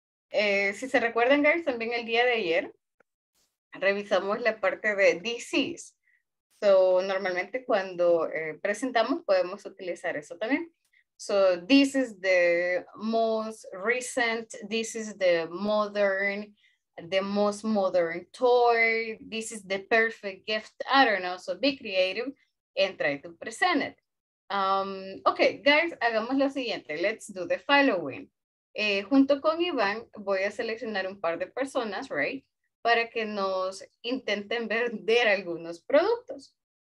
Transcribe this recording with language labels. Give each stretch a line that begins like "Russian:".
Spanish: Si se recuerdan, guys, también el día de ayer revisamos la parte de disease. So, normalmente cuando presentamos podemos utilizar eso también.
English: So, this is the most recent, this is the most modern toy, this is the perfect gift, I don't know. So, be creative and try to present it.
Spanish: Okay, guys, hagamos lo siguiente.
English: Let's do the following.
Spanish: Junto con Iván voy a seleccionar un par de personas, right, para que nos intenten vender algunos productos.